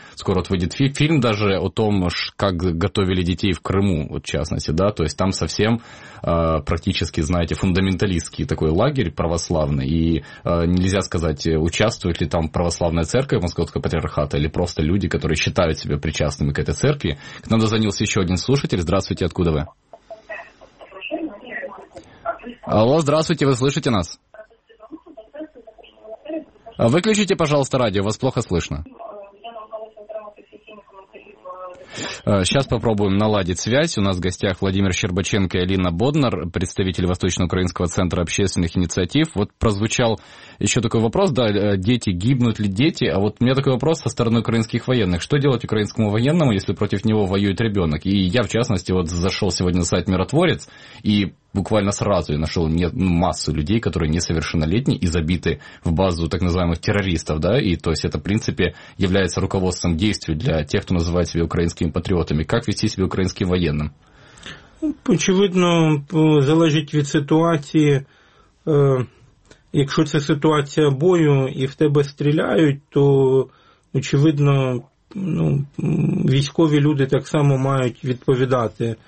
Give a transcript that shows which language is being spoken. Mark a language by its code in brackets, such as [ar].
[uk] Скоро от вийде фільм навіть о том, як готовили дітей в Криму, от, в частності. Да? Тобто там зовсім практично, знаєте, фундаменталістський такий лагерь православний, і не можна сказати, участвують ли там православна церква Московського патріархату, або просто люди, які вважають себе причастними [ru] к этой церкви. К нам дозвонился еще один слушатель. Здравствуйте, откуда вы? Алло, здравствуйте, вы слышите нас? Выключите, пожалуйста, радио, вас плохо слышно. Сейчас попробуем наладить связь. У нас в гостях Владимир Щербаченко и Алина Боднар, представители Восточно-Украинского центра общественных инициатив. Вот прозвучал еще такой вопрос, да, дети, гибнут ли дети? А вот у меня такой вопрос со стороны украинских военных. Что делать украинскому военному, если против него воюет ребенок? И я, в частности, вот зашел сегодня на сайт «Миротворец» и буквально сразу я нашел массу людей, которые несовершеннолетние и забиты в базу так называемых террористов, да, и то есть это, в принципе, является руководством действий для тех, кто называет себя украинскими патріотами. [uk] Як вести себе українським воєнним? Очевидно, залежить від ситуації. Якщо це ситуація бою і в тебе стріляють, то, очевидно, ну, військові люди так само мають відповідати.